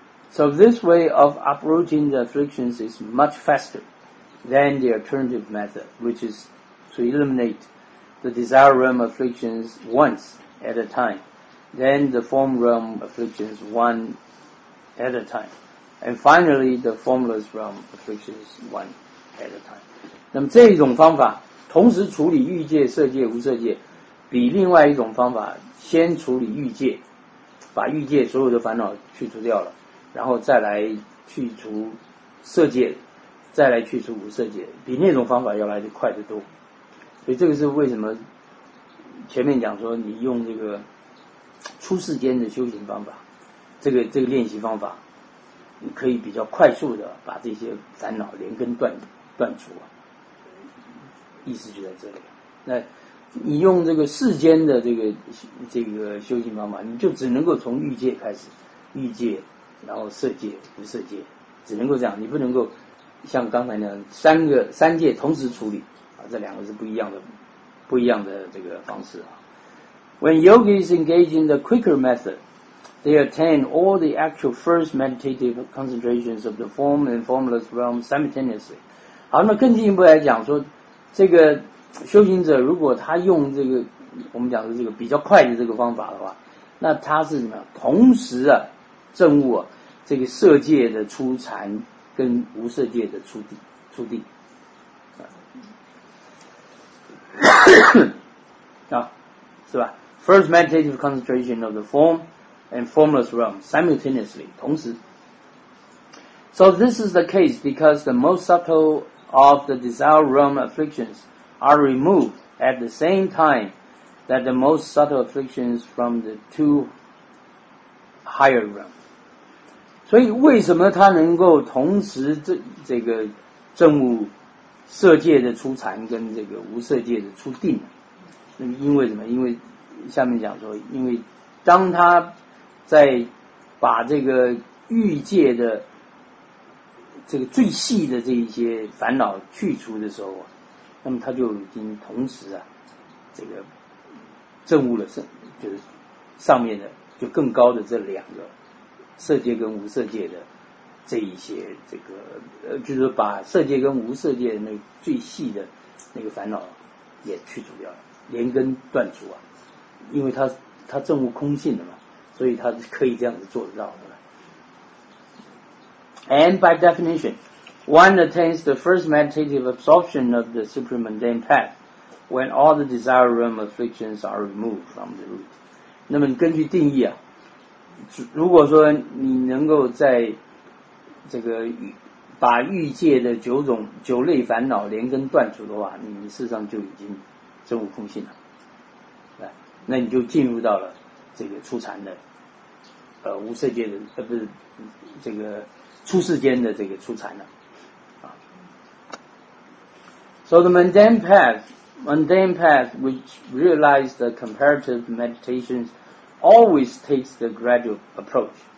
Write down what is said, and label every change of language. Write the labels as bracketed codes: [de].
[en] So this way of uprooting the afflictions is much faster than the alternative method, which is to eliminate the desire realm afflictions once at a time, then the form realm afflictions one at a time, and finally the formless realm afflictions one at a time. [zh] 那么这一种方法同时处理欲界、色界、无色界，比另外一种方法先处理欲界，把欲界所有的烦恼去除掉了，然后再来去除色界，再来去除无色界，比那种方法要来得快得多。所以这个是为什么前面讲说你用这个出世间的修行方法，这个练习方法，你可以比较快速的把这些烦恼连根断除啊，意思就在这里。那你用这个世间的这个修行方法，你就只能够从欲界开始，欲界，然后色界、无色界，只能够这样，你不能够像刚才那样三界同时处理啊，这两个是不一样的这个方式啊。 [en] When yogis engage in the quicker method, they attain all the actual first meditative concentrations of the form and formless realm simultaneously. [zh] 好，那更进一步来讲说，这个修行者如果他用这个我们讲的这个比较快的这个方法的话，那他是什么？同时啊，证悟啊，这个色界的初禅跟无色界的初地。啊，是吧？ [en] First meditative concentration of the form and formless realm simultaneously, [zh] 同时。 [en] So this is the case because the most subtle of the desire realm afflictions are removed at the same time that the most subtle afflictions from the two higher realms. [zh] 所以为什么他能够同时这个证悟色界的初禅跟这个无色界的初定呢？那因为什么？因为下面讲说，因为当他在把这个欲界的这个最细的这一些烦恼去除的时候，那么他就已经同时啊，这个证悟了就是上面的就更高的这两个色界跟无色界的这一些这个就是把色界跟无色界的那最细的那个烦恼也去除掉了，连根断除啊。因为他证悟空性的嘛，所以他是可以这样子做得到的。 [en] And by definition, one attains the first meditative absorption of the supreme mundane path when all the desire realm afflictions are removed from the root. [zh] 那么根据定义啊，如果说你能够在这个把欲界的九类烦恼连根断除的话，你事实上就已经证悟空性了。那你就进入到了这个初禅的无色界的不是这个初世间的这个初禅了啊。 [en] So the mundane path which realized the comparative meditations always takes the gradual approach.